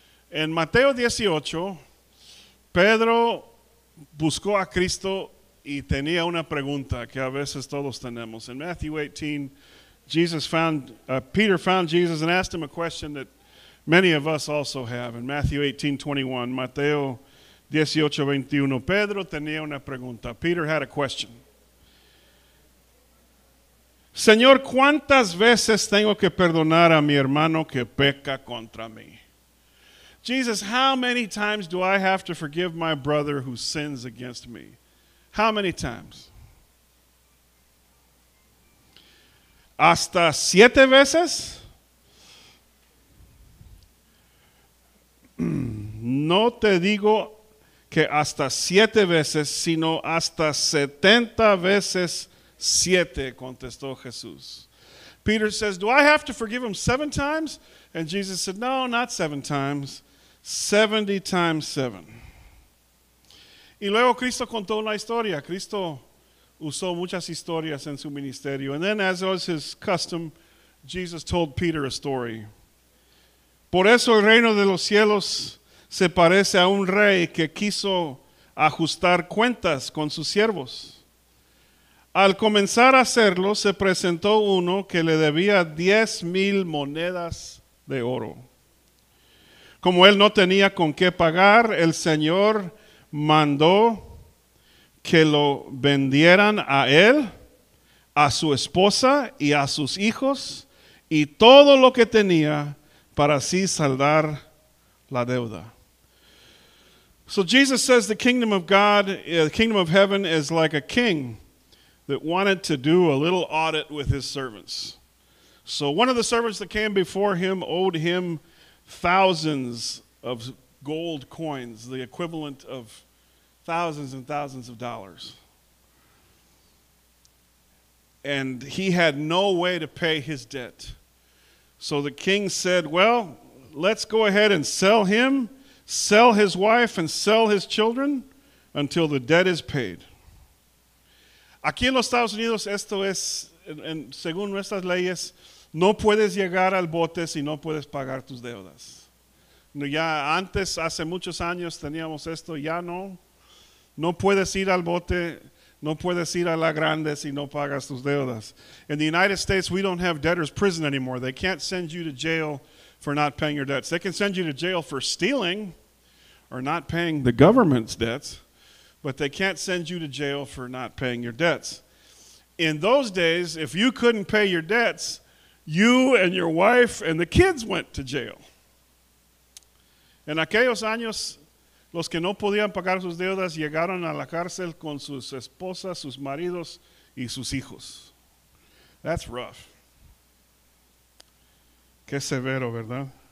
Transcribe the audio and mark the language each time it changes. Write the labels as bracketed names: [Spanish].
[Spanish] En Mateo 18, Pedro buscó a Cristo y tenía una pregunta que a veces todos tenemos. [English] In Matthew 18, Peter found Jesus and asked him a question that many of us also have. In Matthew 18, 21, Mateo 18, 21, [Spanish] Pedro tenía una pregunta. [English] Peter had a question. [Spanish] Señor, ¿cuántas veces tengo que perdonar a mi hermano que peca contra mí? [English] Jesus, how many times do I have to forgive my brother who sins against me? How many times? [Spanish] ¿Hasta siete veces? No te digo que hasta siete veces, sino hasta 70 veces siete, contestó Jesús. [English] Peter says, do I have to forgive him seven times? And Jesus said, no, not seven times. 70 times 7. [Spanish] Y luego Cristo contó una historia. Cristo usó muchas historias en su ministerio. [English] And then, as was his custom, Jesus told Peter a story. [Spanish] Por eso el reino de los cielos se parece a un rey que quiso ajustar cuentas con sus siervos. Al comenzar a hacerlo, se presentó uno que le debía 10,000 monedas de oro. Como él no tenía con qué pagar, el Señor mandó que lo vendieran a él, a su esposa y a sus hijos, y todo lo que tenía para así saldar la deuda. [English] So Jesus says the kingdom of God, the kingdom of heaven is like a king that wanted to do a little audit with his servants. So one of the servants that came before him owed him thousands of gold coins, the equivalent of thousands and thousands of dollars. And he had no way to pay his debt. So the king said, well, let's go ahead and sell him, sell his wife, and sell his children until the debt is paid. [Spanish] Aquí en los Estados Unidos, esto es, en, según nuestras leyes, no puedes llegar al bote si no puedes pagar tus deudas. Ya antes, hace muchos años, teníamos esto. Ya no. No puedes ir al bote. No puedes ir a la grande si no pagas tus deudas. [English] In the United States, we don't have debtor's prison anymore. They can't send you to jail for not paying your debts. They can send you to jail for stealing or not paying the government's debts. But they can't send you to jail for not paying your debts. In those days, if you couldn't pay your debts, you and your wife and the kids went to jail. [Spanish] En aquellos años, los que no podían pagar sus deudas llegaron a la cárcel con sus esposas, sus maridos y sus hijos. [English] That's rough. [Spanish] Qué severo, ¿verdad?